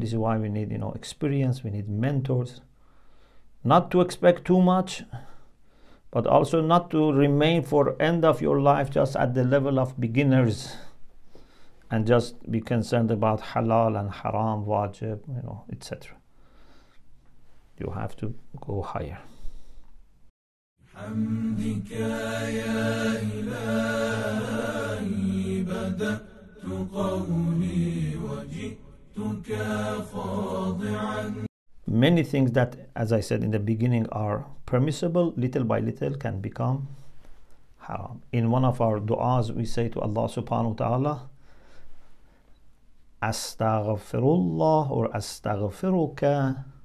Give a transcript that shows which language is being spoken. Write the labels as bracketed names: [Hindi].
[English] This is why we need, you know, experience. We need mentors. Not to expect too much, but also not to remain for end of your life just at the level of beginners and just be concerned about halal and haram, wajib, you know, etc. You have to go higher. [Arabic] حمدك يا إلهي بدأت قولي وجئتك خاضعا. [English] Many things that, as I said in the beginning, are permissible, little by little can become haram. In one of our du'as, we say to Allah subhanahu wa ta'ala, Astaghfirullah or Astaghfiruka.